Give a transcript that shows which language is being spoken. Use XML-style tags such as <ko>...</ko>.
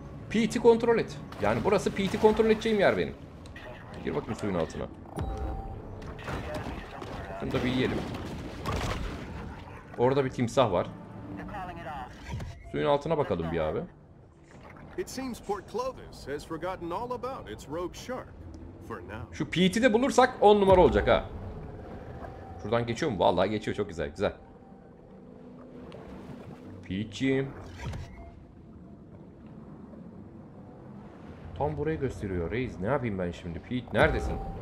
<tr>PT kontrol et. Yani burası PT kontrol edeceğim yer benim. Gir bakayım suyun altına. Bunu da bir yiyelim. Orada bir timsah var. Suyun altına bakalım bir abi.</tr> <en>It seems Port Clovis has forgotten all about its rogue shark for now.</en> <tr>Şu PT'de bulursak 10 numara olacak ha. Şuradan geçiyor mu? Vallahi geçiyor, çok güzel, güzel. PT'ciğim. Tam burayı gösteriyor reis. Ne yapayım ben şimdi? PT neredesin?</tr>